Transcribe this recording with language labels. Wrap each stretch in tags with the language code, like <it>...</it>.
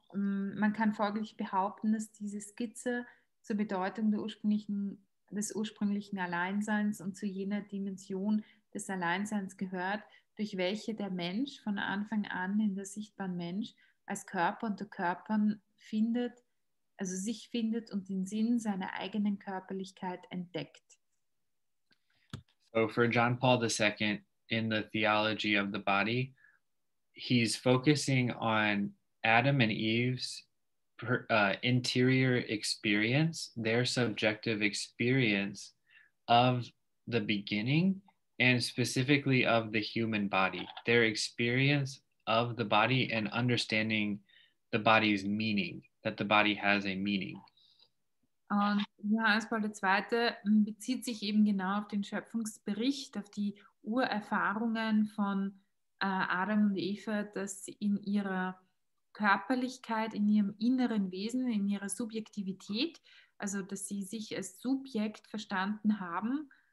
<de>man kann folglich behaupten, dass diese Skizze zur Bedeutung des ursprünglichen Alleinseins und zu jener Dimension des Alleinseins gehört, durch welche der Mensch von Anfang an in der sichtbaren Mensch als Körper unter Körpern findet, also sich findet und den Sinn seiner eigenen Körperlichkeit entdeckt.</de> <en>So for John Paul II in the theology of the body, he's focusing on Adam and Eve's interior experience, their subjective experience of the beginning, and specifically of the human body, their experience of the body and understanding the body's meaning, that the body has a meaning.</en> <de>Und Johannes Paul II. Bezieht sich eben genau auf den Schöpfungsbericht, auf die Urerfahrungen von Adam und Eva, dass in ihrer Körperlichkeit, in ihrem inneren Wesen, in ihrer Subjektivität, also dass sie sich als Subjekt verstanden haben.</de>